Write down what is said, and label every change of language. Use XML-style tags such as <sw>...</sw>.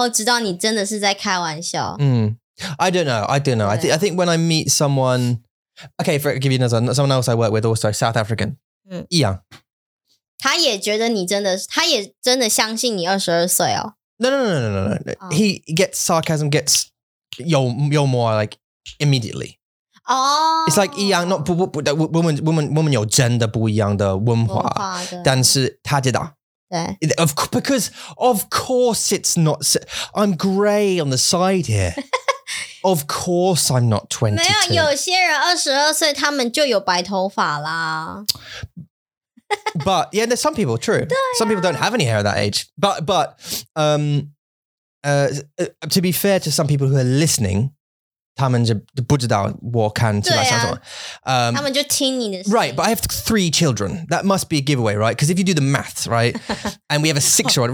<zh>我们认识的时候，我们认识的时候，我也是花很多时间认识你这个人，对不对？所以就是要认识你很久，然后知道你真的是在开玩笑。嗯，</zh> <en>I don't know. I don't know. I think when I meet someone, okay, for give you another someone else I work with, also South African, Ian.</en> <zh>他也真的相信你22岁哦。</zh> <en>No. He gets sarcasm, gets yo more like immediately. Oh, it's like</en> <zh>一样,</zh> <en>not</en> <zh>我们有真的不一样的文化，但是他知道。</zh> <en>Of course, because of course it's not, I'm gray on the side here. Of course I'm not 22.</en> <zh>没有，有些人22岁他们就有白头发啦。</zh> <en>But yeah, there's some people, true. Some people don't have any hair at that age. But to be fair to some people who are listening,</en> <zh>他们就不知道我看起来像什么。他们就听你的声音。</zh> <en>Right, but I have three children. That must be a giveaway, right? Because if you do the maths, right? And we have a six-year-old.</en>